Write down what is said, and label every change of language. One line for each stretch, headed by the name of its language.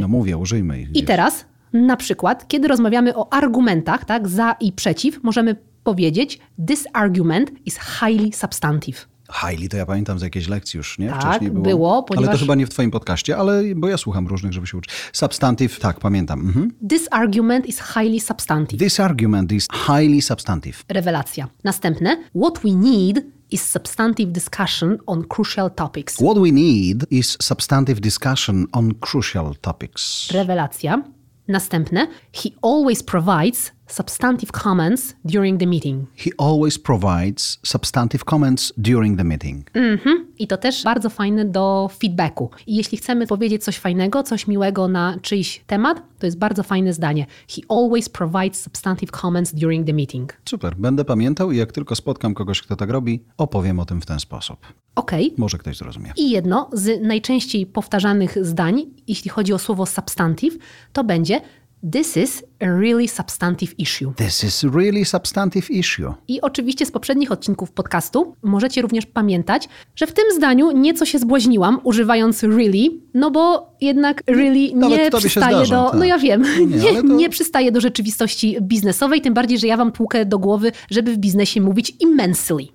Polish: No mówię, użyjmy ich gdzieś. I teraz na przykład, kiedy rozmawiamy o argumentach, tak, za i przeciw, możemy powiedzieć
English: this argument is highly substantive.
Polish: Highly, to ja pamiętam z jakiejś lekcji już, nie? Tak, wcześniej było. Było, ponieważ... Ale to chyba nie w twoim podcaście, ale bo ja słucham różnych, żeby się uczyć. Substantive, tak, pamiętam. Mhm.
English: This argument is highly substantive. This argument is highly substantive.
Polish: Rewelacja. Następne.
English: What we need is substantive discussion on crucial topics. What we need is substantive discussion on crucial topics.
Polish: Rewelacja. Następne.
English: He always provides substantive comments during the meeting. He always provides substantive comments during the meeting. Mm-hmm.
Polish: I to też bardzo fajne do feedbacku. I jeśli chcemy powiedzieć coś fajnego, coś miłego na czyjś temat, to jest bardzo fajne zdanie.
English: He always provides substantive comments during the meeting.
Polish: Super, będę pamiętał i jak tylko spotkam kogoś, kto tak robi, opowiem o tym w ten sposób. Okej. Okay. Może ktoś zrozumie. I jedno z najczęściej powtarzanych zdań, jeśli chodzi o słowo substantive, to będzie...
English: This is a really substantive issue. This is really substantive issue.
Polish: I oczywiście z poprzednich odcinków podcastu możecie również pamiętać, że w tym zdaniu nieco się zbłaźniłam, używając really, no bo jednak really nie przystaje do... Tak. No ja wiem, nie przystaje do rzeczywistości biznesowej, tym bardziej, że ja wam tłukę do głowy, żeby w biznesie mówić immensely.